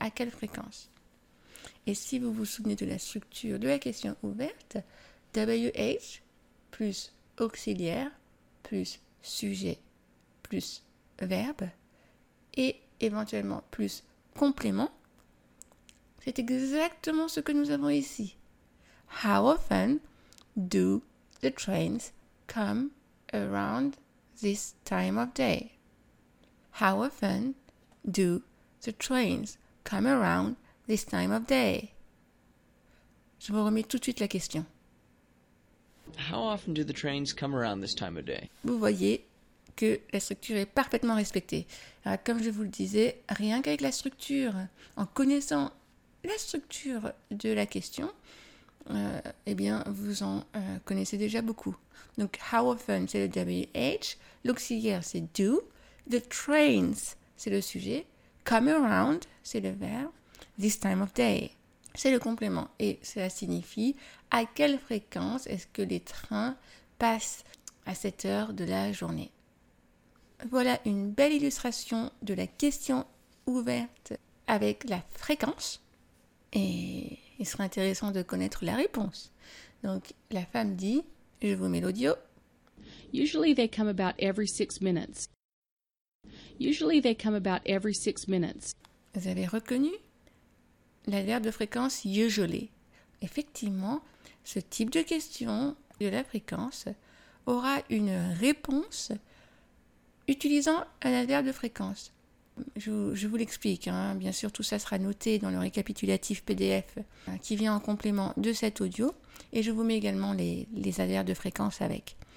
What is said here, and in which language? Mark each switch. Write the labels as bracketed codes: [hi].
[fr] À quelle fréquence ? Et si vous vous souvenez de la structure de la question ouverte, WH plus auxiliaire plus sujet plus verbe et éventuellement plus complément, c'est exactement ce que nous avons ici. [en] How often do the trains come around this time of day? How often do the trains come around this time of day? [fr] Je vous remets tout de suite la question. [en] How often do the trains come around this time of day? [fr] Vous voyez que la structure est parfaitement respectée. Alors, comme je vous le disais, rien qu'avec la structure, en connaissant la structure de la question, vous en connaissez déjà beaucoup. Donc, [en] how often, [fr] c'est le WH. L'auxiliaire, c'est do. [en] The trains, [fr] c'est le sujet. [en] Come around, [fr] c'est le verbe. [en] This time of day, [fr] c'est le complément. Et cela signifie, à quelle fréquence est-ce que les trains passent à cette heure de la journée. Voilà une belle illustration de la question ouverte avec la fréquence. Et il serait intéressant de connaître la réponse. Donc, la femme dit, je vous mets l'audio. [en] Usually they come about every 6 minutes. Usually they come about every 6 minutes. [fr] Vous avez reconnu l'adverbe de fréquence usually. Effectivement, ce type de question de la fréquence aura une réponse utilisant un adverbe de fréquence. Je vous l'explique, hein. Bien sûr tout ça sera noté dans le récapitulatif PDF qui vient en complément de cet audio et je vous mets également les adverbes de fréquence avec.